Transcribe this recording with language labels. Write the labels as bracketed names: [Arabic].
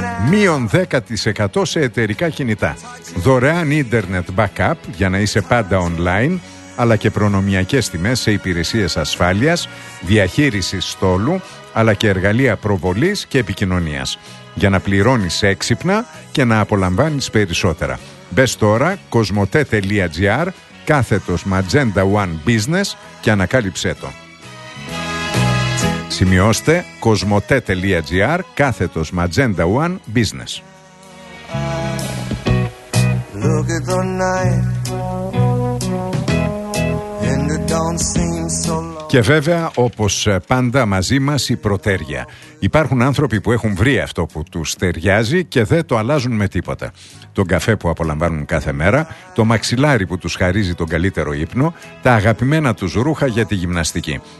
[Greek] Μείον 10% σε εταιρικά κινητά. Δωρεάν ίντερνετ backup για να είσαι πάντα online, αλλά και προνομιακές τιμές σε υπηρεσίες ασφάλειας, διαχείριση στόλου, αλλά και εργαλεία προβολής και επικοινωνίας. Για να πληρώνεις έξυπνα και να απολαμβάνεις περισσότερα. Μπες τώρα cosmote.gr / Magenta One Business και ανακάλυψέ το. Σημειώστε cosmote.gr / Magenta One Business. [English] Look at the night, and it don't seem so long. [Greek] Και βέβαια, όπως πάντα, μαζί μας η προτέρια. Υπάρχουν άνθρωποι που έχουν βρει αυτό που τους ταιριάζει και δεν το αλλάζουν με τίποτα. Τον καφέ που απολαμβάνουν κάθε μέρα, το μαξιλάρι που τους χαρίζει τον καλύτερο ύπνο, τα αγαπημένα τους ρούχα για τη γυμναστική.